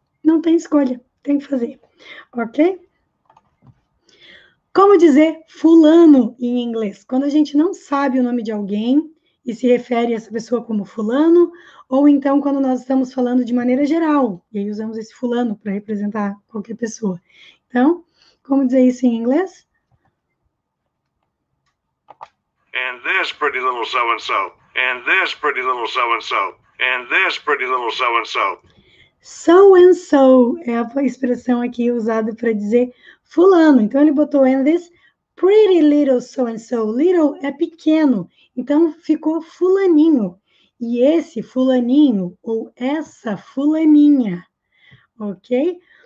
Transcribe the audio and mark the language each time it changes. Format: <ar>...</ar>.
<pt>Não tem escolha, tem que fazer. Ok? Como dizer fulano em inglês? Quando a gente não sabe o nome de alguém e se refere a essa pessoa como fulano, ou então quando nós estamos falando de maneira geral, e aí usamos esse fulano para representar qualquer pessoa. Então, como dizer isso em inglês?</pt> <en>And this pretty little so-and-so, and this pretty little so-and-so, and this pretty little so-and-so.</en> <pt>So-and-so é a expressão aqui usada para dizer fulano. Então, ele botou</pt> <en>and this pretty little so-and-so.</en> <pt>Little é pequeno. Então, ficou fulaninho. e esse fulaninho ou essa fulaninha, ok?</pt>